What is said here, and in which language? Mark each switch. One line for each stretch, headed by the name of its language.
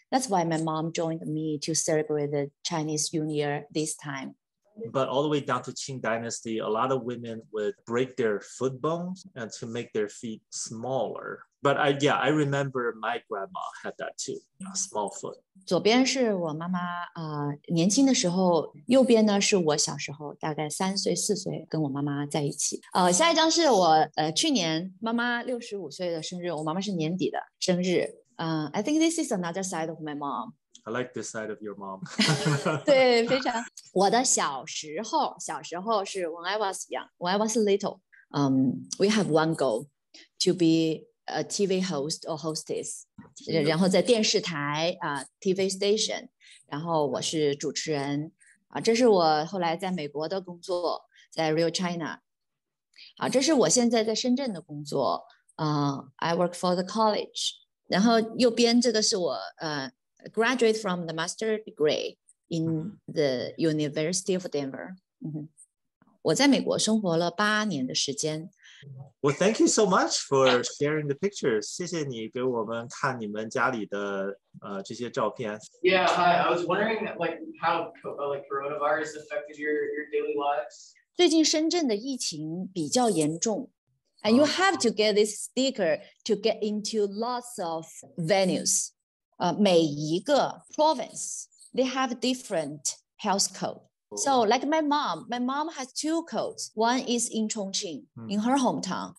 English: That's why my mom joined me to celebrate the Chinese New Year this time. But all the way down to Qing Dynasty, a lot of women would break their foot bones and to make their feet smaller. But I remember my grandma had that too, a small foot.
Chinese: 左边是我妈妈年轻的时候，右边呢是我小时候，大概三岁四岁跟我妈妈在一起。下一张是我去年妈妈65岁的生日，我妈妈是年底的生日。
English: I think this is another side of my mom. I like this side of your mom.
Chinese: 对，非常。我的小时候是
English: when I was young, when I was little, we have one goal to be. A TV host or hostess,
Chinese: 然后在电视台
English: TV station,
Chinese: 然后我是主持人这是我后来在美国的工作，在 Real China. 这是我现在在深圳的工作
English: I work for the college.
Chinese: 然后右边这个是我
English: graduate from the master degree in the University of Denver.
Chinese: 我在美国生活了八年的时间。
English: Well, thank you so much for sharing the pictures.
Chinese: 谢谢你给我们看你们家里的这些照片。
English: Yeah, hi. I was wondering how coronavirus affected your daily lives.
Chinese: 最近深圳的疫情比较严重。
English: And you have to get this sticker to get into lots of venues.
Chinese: 每一个
English: province, they have different health code. So, like my mom has two codes. One is in Chongqing, in her hometown.